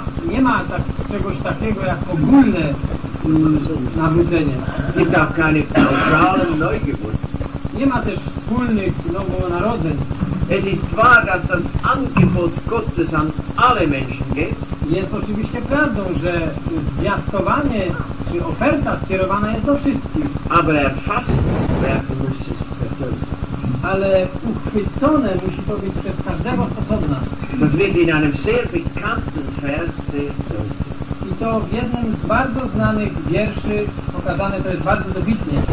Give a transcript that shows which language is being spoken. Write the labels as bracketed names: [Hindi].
[Polish] Nie ma tak, czegoś takiego jak ogólne nawrócenie. [German] Gibt auch keine pauschalen Neugeburt. [Polish] Nie ma też wspólnych nowonarodzeń. [German] Es ist wahr, dass das Angebot Gottes an alle Menschen geht. [Polish] Jest oczywiście prawdą, że zwiastowanie czy oferta skierowana jest do wszystkich. [German] Aber erfasst werden muss es persönlich. [Polish] Ale uchwycone musi to być przez każdego stosowna. [German] Das wird in einem sehr bekannten Vers sehr deutlich. [Polish] I to w jednym z bardzo znanych wierszy pokazane to jest bardzo dobitnie.